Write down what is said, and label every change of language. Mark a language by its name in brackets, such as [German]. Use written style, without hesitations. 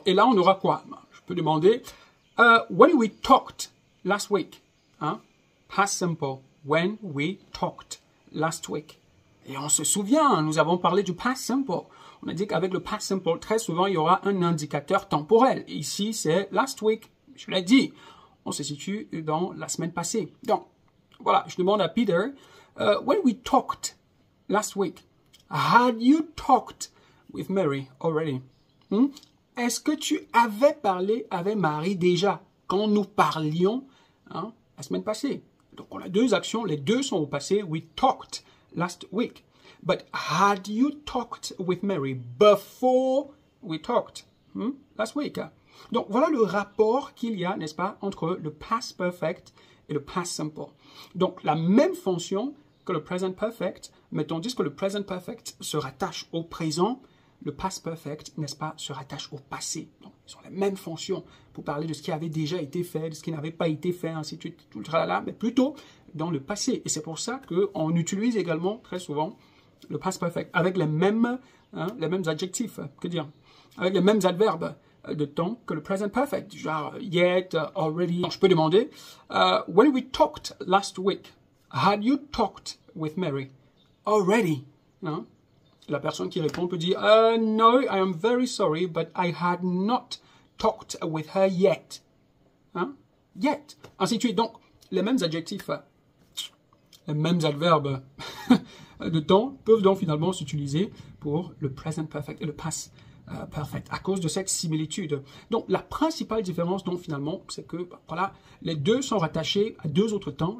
[French] Et là, on aura quoi? Je peux demander, [English] when we talked last week, [French] hein? [English] Past simple, when we talked last week. [French] Et on se souvient, nous avons parlé du past simple. On a dit qu'avec le past simple, très souvent, il y aura un indicateur temporel. Ici, c'est last week. Je l'ai dit. On se situe dans la semaine passée. Donc, voilà, je demande à Peter, [English] when we talked last week, had you talked with Mary already? [French] Est-ce que tu avais parlé avec Marie déjà quand nous parlions la semaine passée? Donc, on a deux actions. Les deux sont au passé. [English] We talked last week. But had you talked with Mary before we talked last week? [French] Donc voilà le rapport qu'il y a, n'est-ce pas, entre le past perfect et le past simple. Donc la même fonction que le present perfect, mais tandis que le present perfect se rattache au présent, le past perfect, n'est-ce pas, se rattache au passé. Donc ils ont la même fonction pour parler de ce qui avait déjà été fait, de ce qui n'avait pas été fait, ainsi de suite, tout le tralala, mais plutôt dans le passé. Et c'est pour ça qu'on utilise également très souvent le past perfect, avec les mêmes adjectifs, que dire, avec les mêmes adverbes de temps que le present perfect, genre yet, already. Donc, je peux demander, [English] when we talked last week, had you talked with Mary already? [French] La personne qui répond peut dire, [English] no, I am very sorry, but I had not talked with her yet. [French] Yet, ainsi de suite. Donc, les mêmes adjectifs, les mêmes adverbes de temps peuvent donc finalement s'utiliser pour le present perfect et le past perfect à cause de cette similitude. Donc la principale différence donc finalement, c'est que bah, voilà, les deux sont rattachés à deux autres temps.